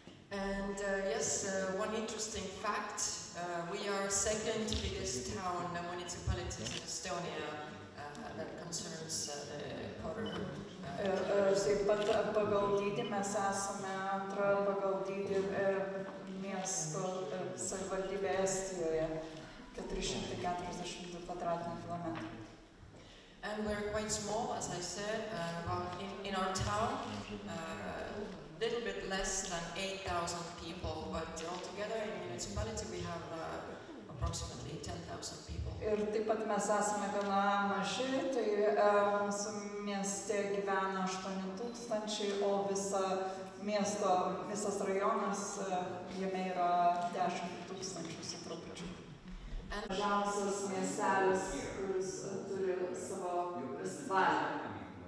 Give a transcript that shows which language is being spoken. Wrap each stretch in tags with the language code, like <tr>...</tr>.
<en>And yes, one interesting fact, we are second biggest town and municipality in Estonia that concerns the</en> <lt>Taip pat pagal dydį mes esame antra pagal dydį miesto savivaldybė Estijoje, 442 kvadratinių kilometrų.</lt> <en>And we're quite small, as I said, in our town. A little bit less than 8,000 people, but altogether in the municipality we have approximately 10,000 people.</en> <lt>Ir taip pat mes esame gana maži, tai mūsų mieste gyvena 8,000, o visas rajonas jame yra 10,000 su trupučiu. Mažiausias miestelis, kuris turi savo festivalį.</lt>